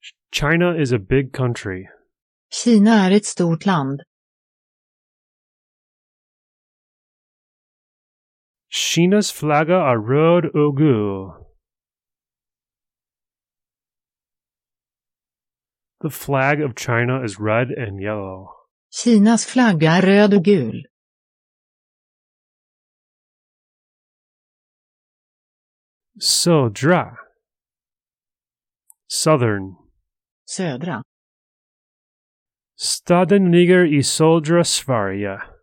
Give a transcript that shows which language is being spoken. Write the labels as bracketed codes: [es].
[en] China is a big country. [sv] Kina är ett stort land. Kinas flagga är röd och gul. [en] The flag of China is red and yellow. [sv] Kinas flagga är röd och gul. Södra. Southern. Södra. Staden ligger i södra Sverige.